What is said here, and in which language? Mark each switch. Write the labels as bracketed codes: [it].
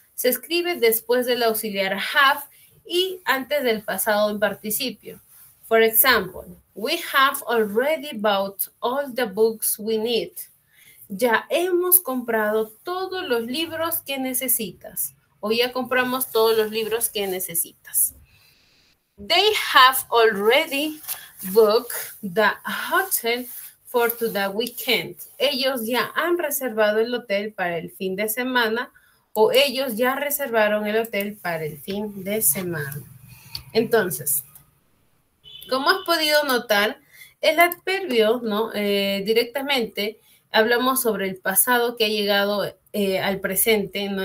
[es] Se escribe después del auxiliar have y antes del pasado en participio. [en] For example, we have already bought all the books we need. [es] Ya hemos comprado todos los libros que necesitas. O ya compramos todos los libros que necesitas. [en] They have already booked the hotel for the weekend. [es] Ellos ya han reservado el hotel para el fin de semana. O ellos ya reservaron el hotel para el fin de semana. Entonces, como has podido notar, el adverbio, ¿no? Directamente hablamos sobre el pasado que ha llegado al presente, ¿no?